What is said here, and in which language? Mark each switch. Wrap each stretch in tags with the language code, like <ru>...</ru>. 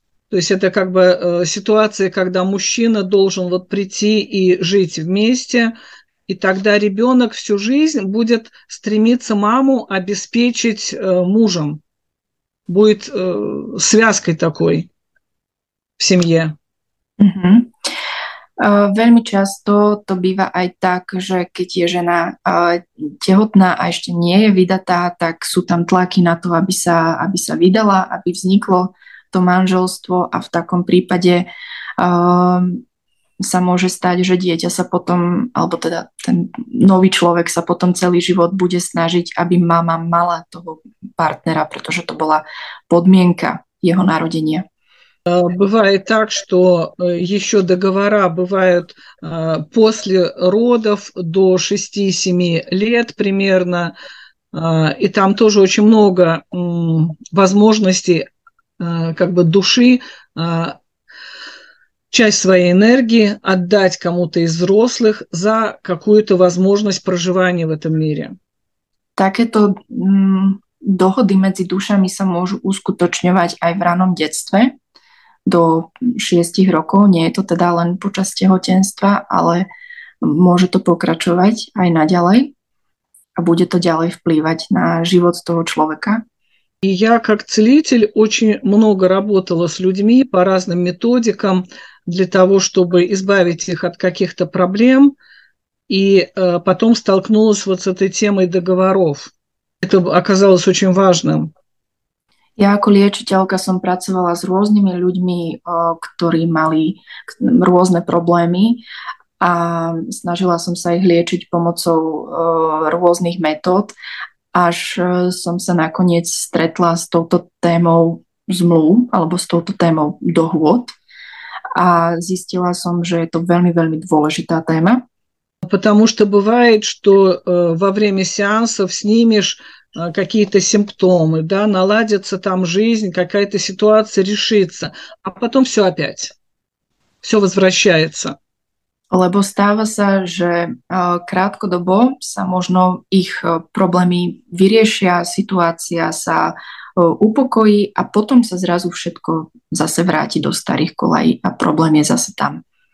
<ru>То есть это как бы ситуация, когда мужчина должен вот прийти и жить вместе, и тогда ребенок всю жизнь будет стремиться маму обеспечить мужем. будет связкой такой в семье.</ru> <sk>Veľmi často to býva aj tak, že keď je žena tehotná a ešte nie je vydatá, tak sú tam tlaky na to, aby sa vydala, aby vzniklo to manželstvo a v takom prípade sa môže stať, že dieťa sa potom, alebo teda ten nový človek sa potom celý život bude snažiť, aby mama mala toho partnera, pretože to bola podmienka jeho narodenia.</sk> <ru>Бывает так, что еще договора бывают после родов до 6-7 лет примерно, и там тоже очень много возможностей как бы души, часть своей энергии отдать кому-то из взрослых за какую-то возможность проживания в этом мире. Так это доходы между душами сам могут ускуточнивать и в раннем детстве.</ru> <sk>Do 6 rokov, nie je to teda len počas tehotenstva, ale môže to pokračovať aj naďalej a bude to ďalej vplývať na život toho človeka.</sk> <ru>И я как целитель очень много работала с людьми по разным методикам для того, чтобы избавить их от каких-то проблем, и потом столкнулась вот с этой темой договоров. Это оказалось очень важным.</ru> <sk>Ja ako liečiteľka som pracovala s rôznymi ľuďmi, ktorí mali rôzne problémy a snažila som sa ich liečiť pomocou rôznych metód, až som sa nakoniec stretla s touto témou zmluv alebo s touto témou dohôd a zistila som, že je to veľmi, veľmi dôležitá téma.</sk> <ru>Потому что бывает, что во время сеансов снимешь какие-то симптомы, да, наладится там жизнь, какая-то ситуация решится, а потом все опять, все возвращается.</ru> <sk>Lebo stáva sa, že krátkodobo sa možno ich problémy vyriešia, situácia sa upokojí a potom sa zrazu všetko zase vráti do starých kolají a problém je zase tam.</sk>